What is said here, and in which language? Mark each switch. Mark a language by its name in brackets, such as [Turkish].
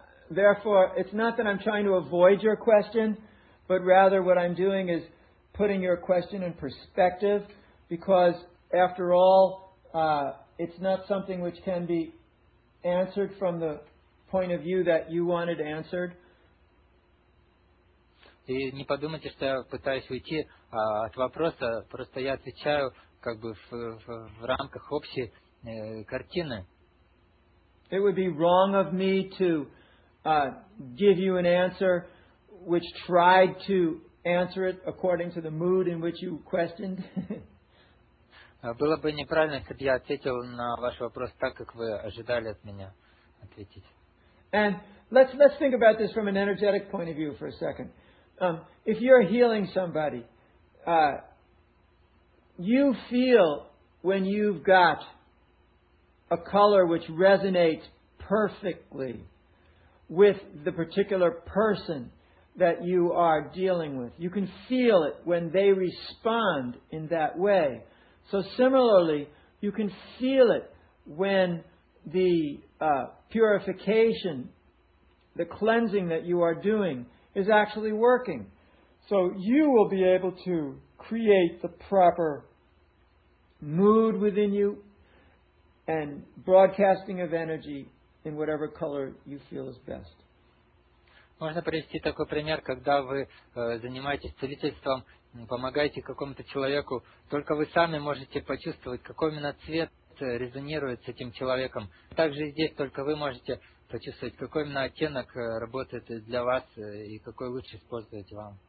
[English] Therefore, it's not that I'm trying to avoid your question, but rather what I'm doing is putting your question in perspective, because after all, it's not something which can be answered from the point of view that you wanted answered. [Russian] И не подумайте, что я пытаюсь уйти от вопроса, просто я отвечаю как бы в рамках общей картины. [English] It would be wrong of me to give you an answer which tried to answer it according to the mood in which you questioned. [Russian] Было бы неправильно, если бы я ответил на ваш вопрос так, как вы ожидали от меня ответить. [English] And let's think about this from an energetic point of view for a second. If you're healing somebody, you feel when you've got a color which resonates perfectly with the particular person that you are dealing with. You can feel it when they respond in that way. So similarly, you can feel it when the purification, the cleansing that you are doing is actually working. So you will be able to create the proper mood within you and broadcasting of energy in whatever color you feel is best. [Russian] Можно привести такой пример, когда вы занимаетесь целительством, помогаете какому-то человеку, только вы сами можете почувствовать, какой именно цвет резонирует с этим человеком. Также здесь только вы можете почувствовать, какой именно оттенок работает для вас и какой лучше использовать вам.